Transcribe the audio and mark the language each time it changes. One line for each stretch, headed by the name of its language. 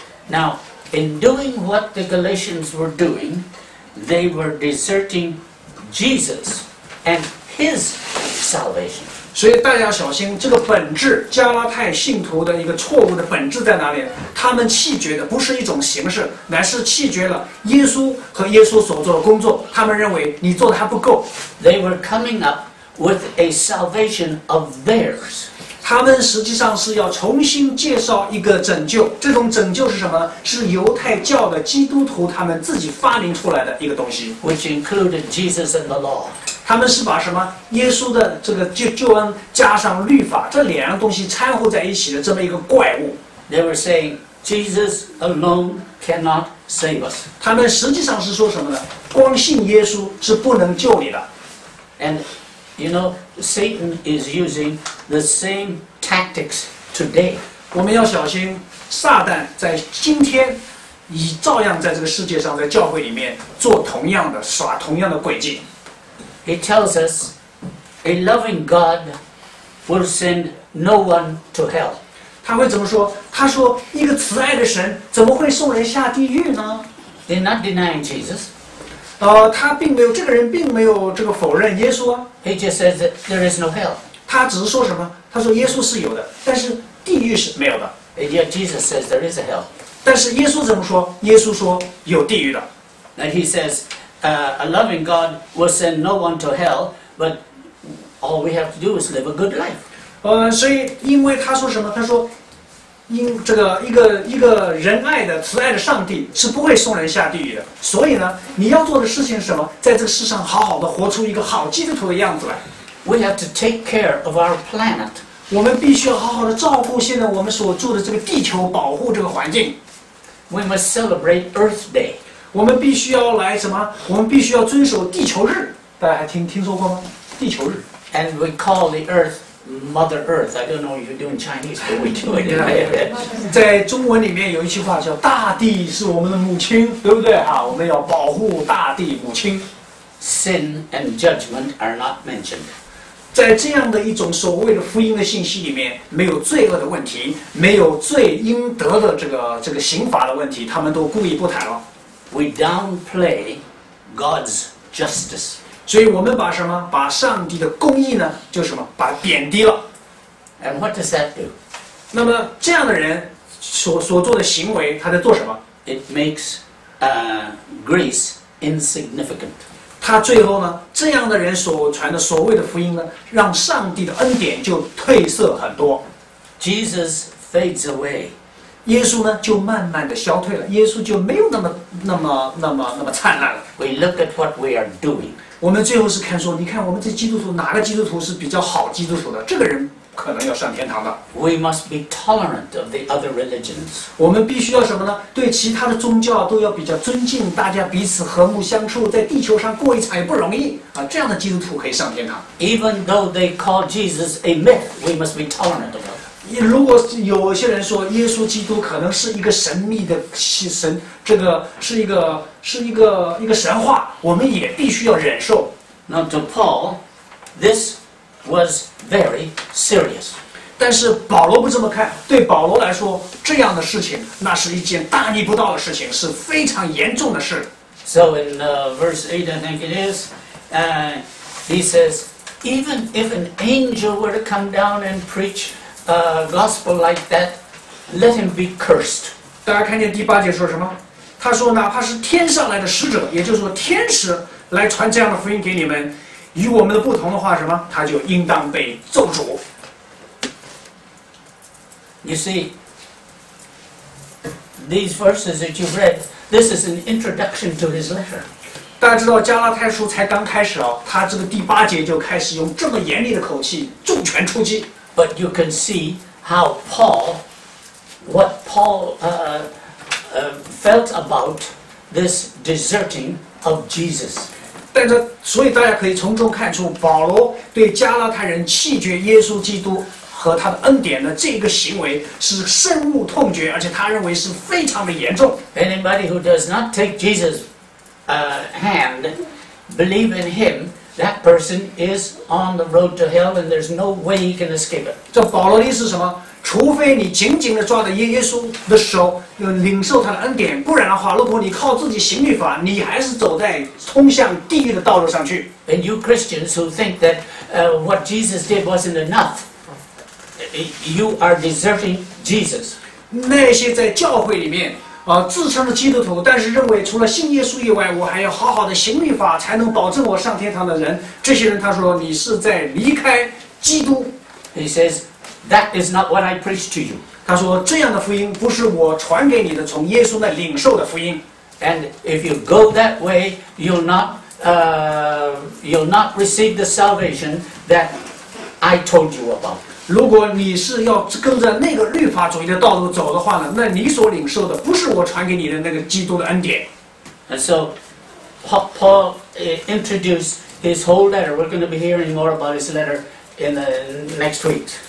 English: Now, in doing what the Galatians were doing, they were deserting Jesus and his salvation.
Chinese: 所以大家小心，这个本质，加拉太信徒的一个错误的本质在哪里？他们弃绝的不是一种形式，乃是弃绝了耶稣和耶稣所做的工作。他们认为你做的还不够。
English: They were coming up with a salvation of theirs.
Chinese: 他们实际上是要重新介绍一个拯救。这种拯救是什么呢？是犹太教的基督徒他们自己发明出来的一个东西。
English: Which included Jesus and the law.
Chinese: 他们是把什么耶稣的这个救恩加上律法这两样东西掺和在一起的这么一个怪物。
English: They were saying Jesus alone cannot save us.
Chinese: 他们实际上是说什么呢？光信耶稣是不能救你的。
English: And you know Satan is using the same tactics today.
Chinese: 我们要小心，撒旦在今天也照样在这个世界上，在教会里面做同样的耍同样的诡计。
English: He tells us, a loving God will send no one to hell.
Chinese: 他会怎么说？他说，一个慈爱的神怎么会送人下地狱呢？
English: They're not denying Jesus.
Chinese: 他并没有，这个人并没有这个否认耶稣啊。
English: He just says that there is no hell.
Chinese: 他只是说什么？他说耶稣是有的，但是地狱是没有的。
English: And yet Jesus says there is a hell.
Chinese: 但是耶稣怎么说？耶稣说有地狱的。
English: And he says,A loving God will send no one to hell, but all we have to do is live a good life.
Chinese: 所以因为他说什么？他说，因这个一个仁爱的慈爱的上帝是不会送人下地狱的。所以呢，你要做的事情是什么？在这个世上好好的活出一个好基督徒的样子来。
English: We have to take care of our planet.
Chinese: 我们必须要好好的照顾现在我们所住的这个地球，保护这个环境。
English: We must celebrate Earth Day.
Chinese: 我们必须要来什么？我们必须要遵守地球日，大家还听说过吗？地球日。
English: And we call the Earth Mother Earth. I don't know if you do in Chinese, but we do it.
Chinese: 在中文里面有一句话叫“大地是我们的母亲”，对不对啊？我们要保护大地母亲。
English: Sin and judgment are not mentioned.
Chinese: 在这样的一种所谓的福音的信息里面，没有罪恶的问题，没有罪应得的这个刑罚的问题，他们都故意不谈了。
English: We downplay God's justice.
Chinese: 所以我们把什么？把上帝的公义呢？就什么？把贬低了。
English: And what does that do?
Chinese: 那么这样的人所做的行为，他在做什么？
English: It makes grace insignificant.
Chinese: 他最后呢？这样的人所传的所谓的福音呢？让上帝的恩典就褪色很多。
English: Jesus fades away.
Chinese: 耶稣呢就慢慢的消退了，耶稣就没有那么灿烂了。
English: We look at what we are doing.
Chinese: 我们最后是看说，你看我们这基督徒哪个基督徒是比较好基督徒的？这个人可能要上天堂的。
English: We must be tolerant of the other religions.
Chinese: 我们必须要什么呢？对其他的宗教都要比较尊敬，大家彼此和睦相处，在地球上过一场也不容易啊。这样的基督徒可以上天堂。
English: Even though they call Jesus a myth, we must be tolerant of them.
Chinese: 如果有些人说耶稣基督可能是一个神秘的神，这个是一个神话，我们也必须要忍受。
English: Now to Paul, this was very serious.
Chinese: 但是保罗不这么看，对保罗来说，这样的事情那是一件大逆不道的事情，是非常严重的事。
English: So in verse 8, I think it is, he says, even if an angel were to come down and preach. Gospel like that, let him be cursed.
Chinese: 大家看见第八节说什么？他说，哪怕是天上来的使者，也就是说天使来传这样的福音给你们，与我们的不同的话，什么？他就应当被咒诅。
English: You see, these verses that you've read, this is an introduction to his letter.
Chinese: 大家知道加拉太书才刚开始啊，他这个第八节就开始用这么严厉的口气重拳出击。
English: But you can see how Paul, what Paul felt about this deserting of Jesus.
Chinese: 但是，所以大家可以从中看出保罗对加拉太人弃绝耶稣基督和他的恩典的这个行为是深恶痛绝，而且他认为是非常的严重。
English: Anybody who does not take Jesus' hand, believe in him. That person is on the road to hell, and there's no way he can escape it.
Chinese: 这保罗的意思是什么？除非你紧紧地抓着耶稣的手，领受他的恩典，不然的话，如果你靠自己行律法，你还是走在通向地狱的道路上去。
English: And you Christians who think that what Jesus did wasn't enough, you are deserting Jesus.
Chinese: 那些在教会里面。自称的基督徒，但是认为除了信耶稣以外，我还要好好的行律法才能保证我上天堂的人，这些人他说你是在离开基督。
English: He says that is not what I preach to you.
Chinese: 他说这样的福音不是我传给你的，从耶稣那领受的福音。
English: And if you go that way, you'll not receive the salvation that I told you about.
Chinese: 如果你是要跟着那个律法主义的道路走的话呢，那你所领受的不是我传给你的那个基督的恩典。
English: And so, Paul introduced his whole letter. We're going to be hearing more about his letter in the next week.